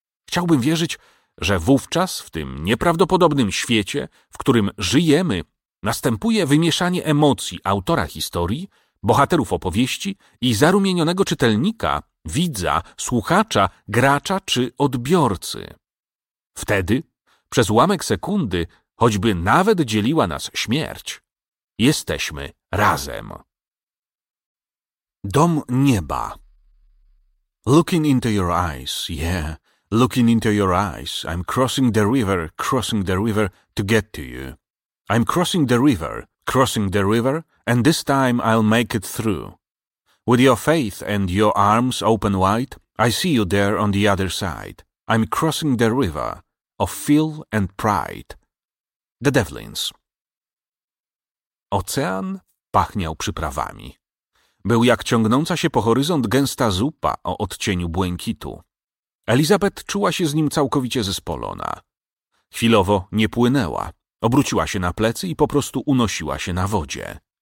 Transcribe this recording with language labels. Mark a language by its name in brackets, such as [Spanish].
[Polish] Chciałbym wierzyć, że wówczas, w tym nieprawdopodobnym świecie, w którym żyjemy, następuje wymieszanie emocji autora historii, bohaterów opowieści i zarumienionego czytelnika, widza, słuchacza, gracza czy odbiorcy. Wtedy, przez ułamek sekundy, choćby nawet dzieliła nas śmierć, jesteśmy razem. Dom nieba. [English] Looking into your eyes, yeah. Looking into your eyes, I'm crossing the river to get to you. I'm crossing the river, and this time I'll make it through. With your faith and your arms open wide, I see you there on the other side. I'm crossing the river of fear and pride. The Devlins. [Polish] Ocean pachniał przyprawami. Był jak ciągnąca się po horyzont gęsta zupa o odcieniu błękitu. Elizabeth czuła się z nim całkowicie zespolona. Chwilowo nie płynęła, obróciła się na plecy i po prostu unosiła się na wodzie.